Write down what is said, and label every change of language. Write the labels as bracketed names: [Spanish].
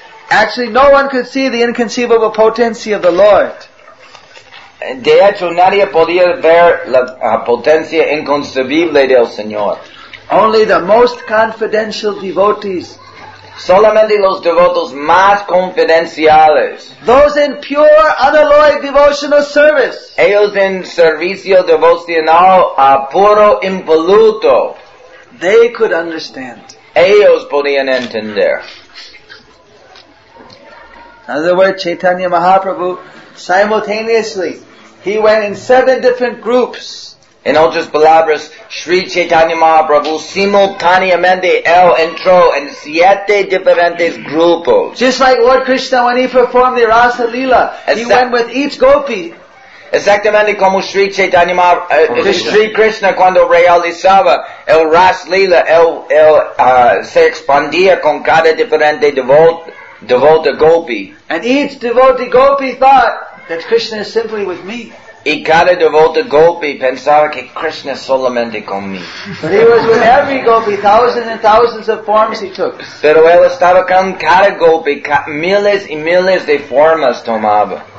[English] Actually, no one could see the inconceivable potency of the Lord. [Spanish] De hecho, nadie podía ver la potencia inconcebible del Señor. [English] Only the most confidential devotees. [Spanish] Solamente los devotos más confidenciales. [English] Those in pure, unalloyed devotional service. [Spanish] Ellos en servicio devocional a puro impoluto. [English] They could understand. [Spanish] Ellos podían entender. [English] In other words, Chaitanya Mahaprabhu, simultaneously, he went in seven different groups. [Spanish] En otras palabras, Sri Chaitanya Mahaprabhu, simultáneamente, él entró en siete diferentes grupos. [English] Just like Lord Krishna, when he performed the Rasa Lila, he went with each gopi. [Spanish] Exactamente como Sri Chaitanya Mahaprabhu, Sri Krishna cuando realizaba el Ras Lila, él se expandía con cada diferente devota gopi. [English] And each devotee gopi thought that Krishna is simply with me. [Spanish] Y cada devota gopi pensaba que Krishna es solamente con mí. [English] But he was with every gopi, thousands and thousands of forms he took. [Spanish] Pero él estaba con cada gopi, miles y miles de formas tomaba.